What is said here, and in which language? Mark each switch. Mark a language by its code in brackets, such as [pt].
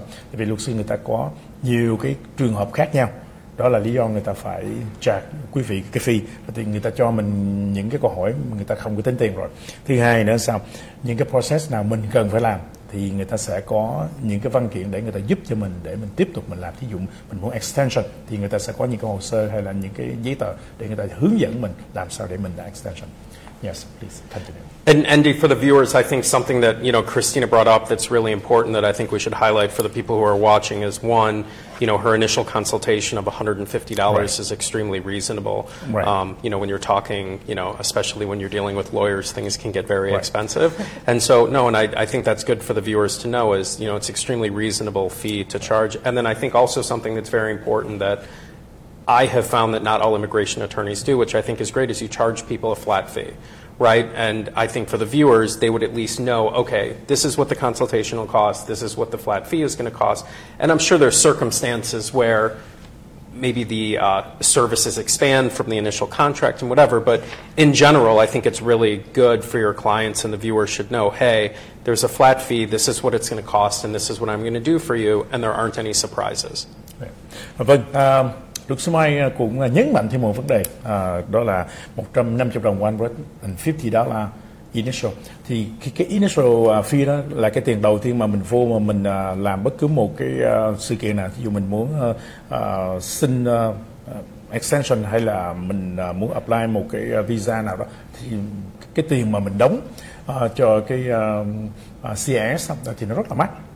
[vi] Tại vì luật sư người ta có nhiều cái trường hợp khác nhau, đó là lý do người ta phải trả quý vị cái fee, thì người ta cho mình những cái câu hỏi người ta không có tính tiền rồi. Thứ hai nữa sao? Những cái process nào mình cần phải làm thì người ta sẽ có những cái văn kiện để người ta giúp cho mình để mình tiếp tục mình làm. Thí dụ mình muốn extension thì người ta sẽ có những cái hồ sơ hay là những cái giấy tờ để người ta hướng dẫn mình làm sao để mình đạt extension. [en] Yes, please continue. And Andy, for the viewers, I think something that, you know, Christina brought up that's really important that I think we should highlight for the people who are watching is, one, you know, her initial consultation of $150 right. is extremely reasonable. Right. You know, when you're talking, you know, especially when you're dealing with lawyers, things can get very right. expensive. And so, no, and I think that's good for the viewers to know is, you know, it's extremely reasonable fee to charge. And then I think also something that's very important that I have found that not all immigration attorneys do, which I think is great, is you charge people a flat fee. Right, and I think for the viewers, they would at least know, okay, this is what the consultation will cost, this is what the flat fee is going to cost, and I'm sure there's circumstances where maybe the services expand from the initial contract and whatever, but in general, I think it's really good for your clients and the viewers should know, hey, there's a flat fee, this is what it's going to cost, and this is what I'm going to do for you, and there aren't any surprises. Right. [vi] Luật sư Mai cũng nhấn mạnh thêm một vấn đề, đó là $150, $150 initial. Thì cái initial fee đó là cái tiền đầu tiên mà mình vô mà mình làm bất cứ một cái sự kiện nào. Ví dụ mình muốn xin extension hay là mình muốn apply một cái visa nào đó, thì cái tiền mà mình đóng cho cái CIS thì nó rất là mắc.